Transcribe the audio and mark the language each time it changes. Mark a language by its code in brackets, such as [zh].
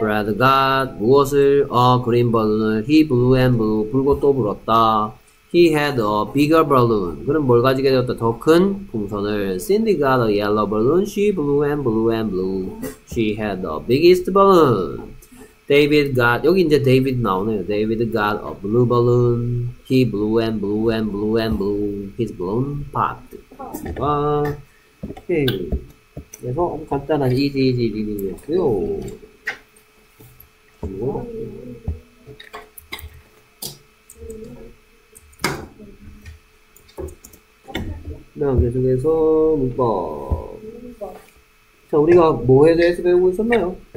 [en] Brad got 무엇을? A green balloon. He blew and blew. [ko] 불고 또 불었다. [en] He had a bigger balloon. [ko] 그는 뭘 가지게 되었다? 더 큰 풍선을. [en] Cindy got a yellow balloon. She blew and blew and blew. She had the biggest balloon. [ko] David got, 여기 이제 David 나오네요. [en] David got a blue balloon. He blew and blew and blew and blew. His balloon popped. [ko] 됐습니다. 오케이. 그래서 간단한 easy reading 이었고요. 그다음 계속해서 문법. 자, 우리가 뭐에 대해서 배우고 있었나요?